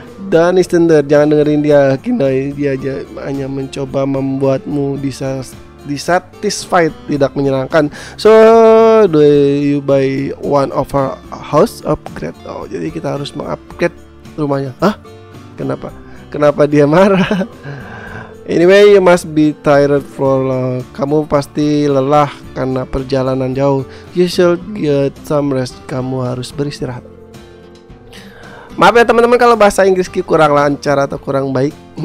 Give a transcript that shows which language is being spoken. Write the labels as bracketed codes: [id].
[id] Dan Istender, jangan dengerin dia. Kinoy, dia aja hanya mencoba membuatmu dissatisfied, tidak menyenangkan. [en] So, do you buy one of our house upgrade? [id] Oh, jadi kita harus mengupgrade rumahnya. Hah? Kenapa? Kenapa dia marah? [en] Anyway, you must be tired for long. [id] Kamu pasti lelah karena perjalanan jauh. [en] You should get some rest. [id] Kamu harus beristirahat. Maaf ya teman-teman kalau bahasa Inggrisku kurang lancar atau kurang baik.